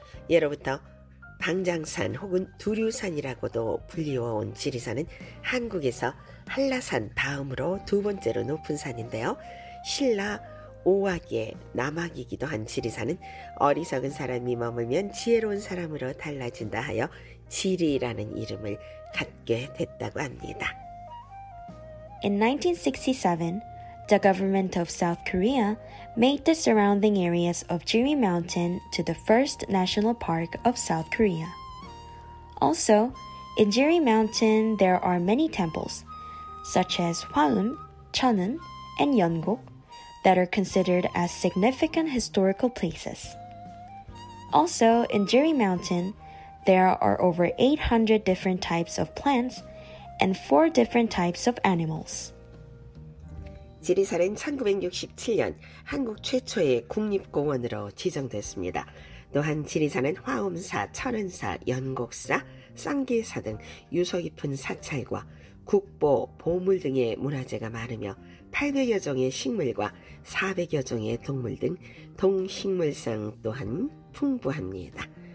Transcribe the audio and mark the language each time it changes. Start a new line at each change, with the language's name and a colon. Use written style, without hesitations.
Korean: 예로부터 방장산 혹은 두류산이라고도 불리워온 지리산은 한국에서 한라산 다음으로 두 번째로 높은 산인데요. 신라 오악의 남악이기도 한 지리산은 어리석은 사람이 머물면 지혜로운 사람으로 달라진다 하여 지리라는 이름을 갖게 됐다고 합니다.
English: In 1967, the government of South Korea made the surrounding areas of Jiri Mountain to the first national park of South Korea. Also, in Jiri Mountain, there are many temples, such as Hwaeum, Cheonun, and Yeongok, that are considered as significant historical places. Also, in Jiri Mountain, there are over 800 different types of plants and 4 different types of animals.
Korean: 지리산은 1967년 한국 최초의 국립공원으로 지정됐습니다. 또한 지리산은 화엄사, 천은사, 연곡사, 쌍계사 등 유서 깊은 사찰과 국보, 보물 등의 문화재가 많으며 800여 종의 식물과 400여 종의 동물 등 동식물상 또한 풍부합니다.